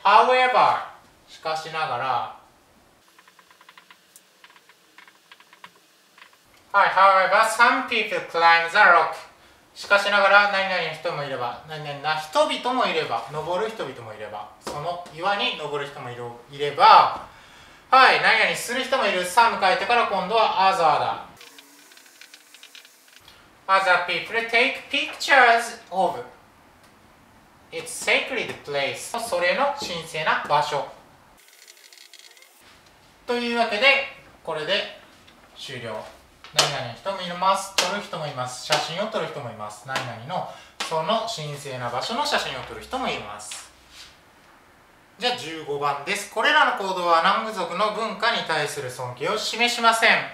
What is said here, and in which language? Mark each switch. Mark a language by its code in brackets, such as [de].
[ja] however、 しかしながら、はい、 [en] however some people climb the rock、 [ja] しかしながら何々の人もいれば、何々な人々もいれば、登る人々もいれば、その岩に登る人もいれば、はい、何々する人もいる。 some 書いてから今度は other だ。 [en] other people take pictures of it's sacred place、 [ja] それの神聖な場所。というわけでこれで終了。何々人もいます、撮る人もいます、写真を撮る人もいます、何々のその神聖な場所の写真を撮る人もいます。じゃあ15番です。これらの行動はナング族の文化に対する尊敬を示しません。